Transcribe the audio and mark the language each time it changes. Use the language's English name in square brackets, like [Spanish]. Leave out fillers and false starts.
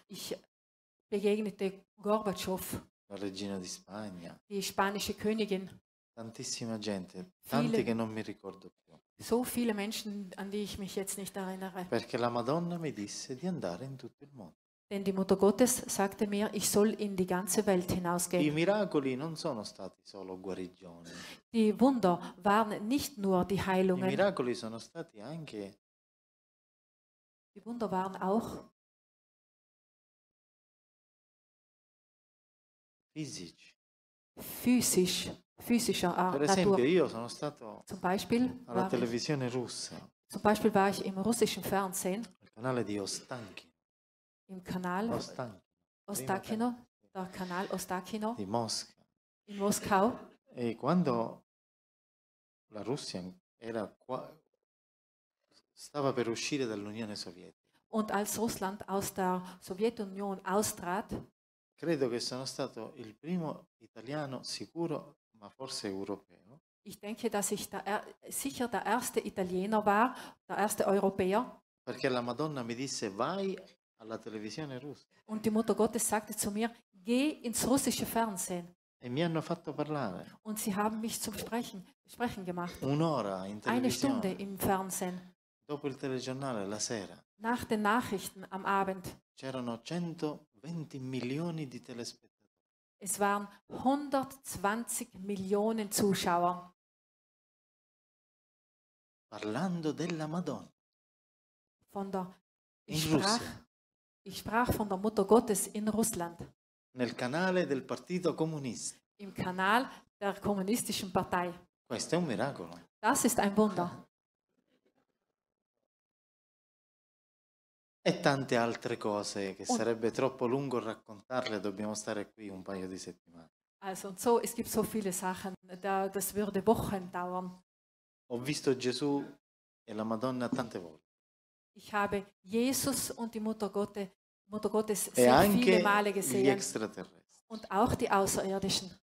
[German] Ich begegnete Gorbaciov. [Italian] La regina di Spagna. [German] Die spanische Königin. [Italian] Tantissima gente, tanti che non mi ricordo più. [German] So viele Menschen, an die ich mich jetzt nicht erinnere. [Italian] Perché la Madonna mi disse di andare in tutto il mondo. [German] Denn die Mutter Gottes sagte mir, ich soll in die ganze Welt hinausgehen. [Italian] I miracoli non sono stati solo guarigioni. [German] Die Wunder waren nicht nur die Heilungen. [Italian] I miracoli sono stati anche. [German] Die Wunder waren auch. Physischer Art. [Italian] Per esempio, [German] Natur. [Italian] Io sono stato [German] zum Beispiel [Italian] alla televisione russa. [German] Zum Beispiel war ich im russischen Fernsehen. [Italian] Il canale di Ostanki. [German] Im Kanal Ostakino, der Kanal Ostakino [Italian] di Mosca. [German] In Moskau. [Italian] E quando la Russia era qua, stava per uscire dall'Unione Sovietica. [German] Und als Russland aus der Sowjetunion austrat, [Italian] credo che sono stato il primo italiano sicuro, ma forse europeo. [German] Ich denke, dass ich sicher der erste Italiener war, der erste Europäer. [Italian] Perché la Madonna mi disse vai alla televisione russa. [German] Und die Mutter Gottes sagte zu mir, geh ins russische Fernsehen. [Italian] E mi hanno fatto parlare. [German] Und sie haben mich zum Sprechen gemacht. [Italian] Un'ora in televisione. [German] Eine Stunde im Fernsehen. [Italian] Dopo il telegiornale, la sera. [German] Nach den Nachrichten am Abend. [Italian] C'erano 120 milioni di telespettatori. [German] Es waren 120 Millionen Zuschauer. [Italian] Parlando della Madonna. [German] Von der Ich sprach von der Mutter Gottes in Russland. [Italian] Nel canale del Partito Comunista. [German] Im Kanal der kommunistischen Partei. [Italian] Questo è un miracolo. [German] Das ist ein Wunder. [Italian] E tante altre cose che sarebbe troppo lungo raccontarle, dobbiamo stare qui un paio di settimane. [German] Also und so, es gibt so viele Sachen, das würde Wochen dauern. [Italian] Ho visto Gesù e la Madonna tante volte. [German] Ich habe Jesus und die Mutter Gottes sehr viele Male gesehen und auch die Außerirdischen.